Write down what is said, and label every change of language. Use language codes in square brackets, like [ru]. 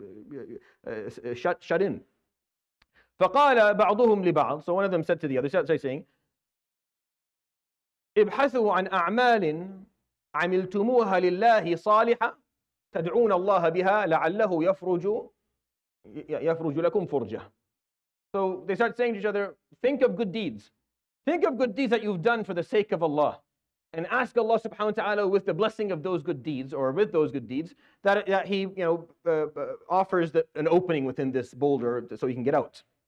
[en] They're completely shut in. [ar] فَقَالَ بَعْضُهُمْ لِبَعْضٍ. [en] So one of them said to the other, saying, [ar] ابحثوا عن أعمال عملتموها لله صالحة تدعون الله بها لعله يفرج لكم فرجة. [en] So they start saying to each other, think of good deeds. Think of good deeds that you've done for the sake of Allah. And ask Allah subhanahu wa ta'ala with the blessing of those good deeds, or with those good deeds, that he offers an opening within this boulder so he can get out.